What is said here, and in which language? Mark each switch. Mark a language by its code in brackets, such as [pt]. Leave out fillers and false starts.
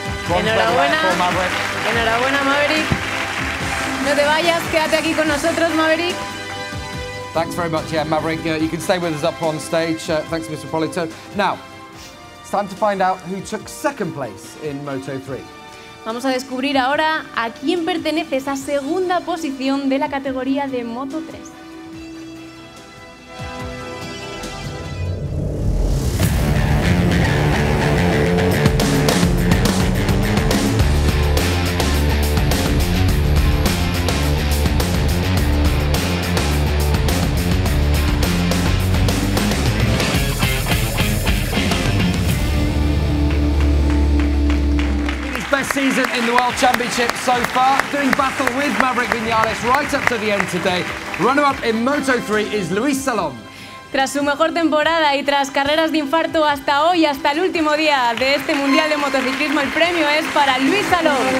[es] Enhorabuena. Enhorabuena, Maverick. No te vayas, quédate aquí con nosotros, Maverick. [en] Thanks very much, yeah, Maverick. You can stay with us up on stage. Thanks, Mr. Polito. Now, it's time to find out who took second place in Moto3. [es] Vamos a descubrir ahora a quién pertenece esa segunda posición de la categoría de Moto3. [en] Season in the World Championship so far, doing battle with Maverick Viñales right up to the end today. Runner-up in Moto3 is Luis Salom. [es] Tras su mejor temporada y tras carreras de infarto hasta hoy, hasta el último día de este Mundial de Motociclismo, el premio es para Luis Salom.